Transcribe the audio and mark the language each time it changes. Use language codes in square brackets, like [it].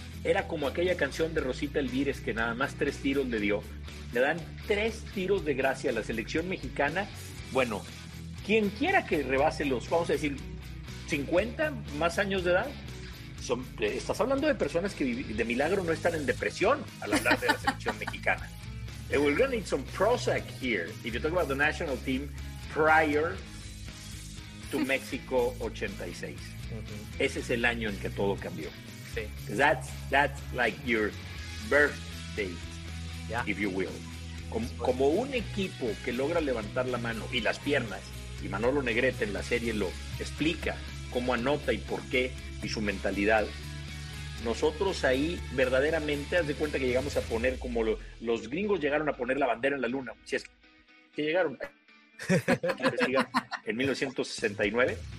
[es] Era como aquella canción de Rosita Elvírez que nada más tres tiros le dio. Le dan tres tiros de gracia a la selección mexicana. Bueno, quien quiera que rebase los, vamos a decir, 50 más años de edad, estás hablando de personas que de milagro no están en depresión al hablar de la selección mexicana. [en] We're going to need some Prozac here if you talk about the national team prior to Mexico 86. Uh-huh. [es] Ese es el año en que todo cambió. Sí. [en] That's like your birthday, yeah, if you will. [es] Como un equipo que logra levantar la mano y las piernas, y Manolo Negrete en la serie lo explica cómo anota y por qué y su mentalidad, nosotros ahí verdaderamente haz de cuenta que llegamos a poner como los gringos llegaron a poner la bandera en la luna, si es que llegaron en 1969.